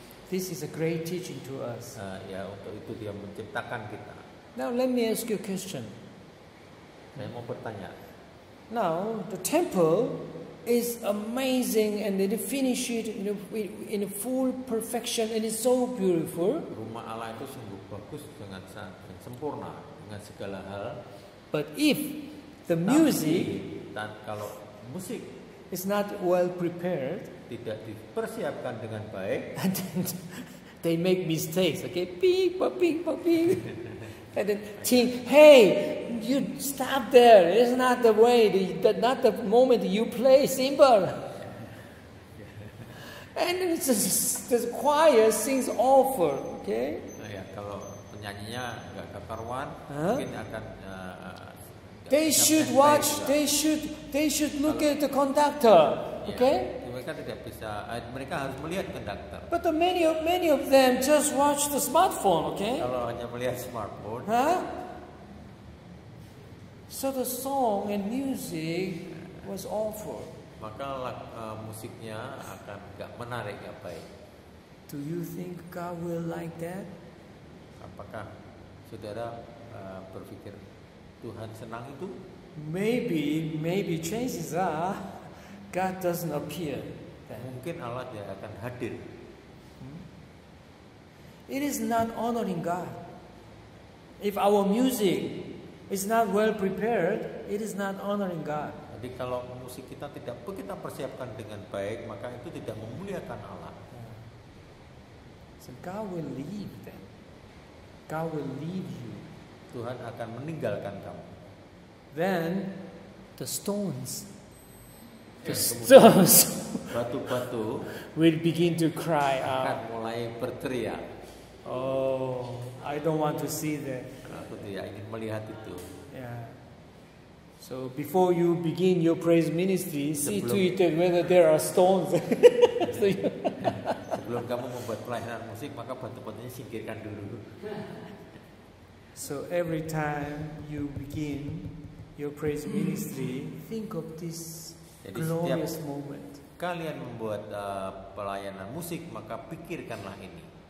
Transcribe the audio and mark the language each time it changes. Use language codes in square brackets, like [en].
[en] This is a great teaching to us. [id] Untuk itu Dia menciptakan kita. [en] Now let me ask you a question. [id] Saya mau bertanya. [en] Now the temple is amazing and they finish it in full perfection and it's so beautiful. [id] Rumah Allah itu sungguh bagus dengan sangat sempurna dengan segala hal. [en] But if the music [id] dan kalau musik [en] is not well prepared, [id] tidak dipersiapkan dengan baik, [en] and then they make mistakes, okay? Ping, pa ping, pa ping. And then think, hey, you stop there. It's not the way, not the moment you play cymbal. And it's just, the choir sings awful, okay? [id] Ya, kalau penyanyinya enggak keperluan, mungkin akan [en] they should watch. They should look at the conductor, okay? [id] Mereka tidak bisa. Mereka harus melihat konduktor. [en] But the many of them just watch the smartphone, okay? [id] Kalau hanya melihat smartphone. [en] So the song and music was awful. [id] Maka musiknya akan tidak menarik, tidak baik. [en] Do you think God will like that? [id] Apakah saudara berpikir Tuhan senang itu? [en] Maybe chances are God doesn't appear. [id] Mungkin Allah tidak akan hadir. [en] It is not honoring God. If our music is not well prepared, it is not honoring God. [id] Jadi kalau musik kita tidak kita persiapkan dengan baik, maka itu tidak memuliakan Allah. [en] So God will leave them. God will leave you. [id] Tuhan akan meninggalkan kamu. [en] Then the stones. The stones [id] batu-batu [en] will begin to cry out. [id] Akan mulai berteriak. [en] Oh, I don't want to see that. [id] Aku tidak ingin melihat itu. [en] So before you begin your praise ministry, see to it whether there are stones. [id] Sebelum kamu membuat pelayanan musik, maka batu-batunya singkirkan dulu. [en] So every time you begin your praise ministry, think of this. [id] Jadi [en] glorious [id] setiap [en] moment. [id] Kalian membuat pelayanan musik, maka pikirkanlah ini.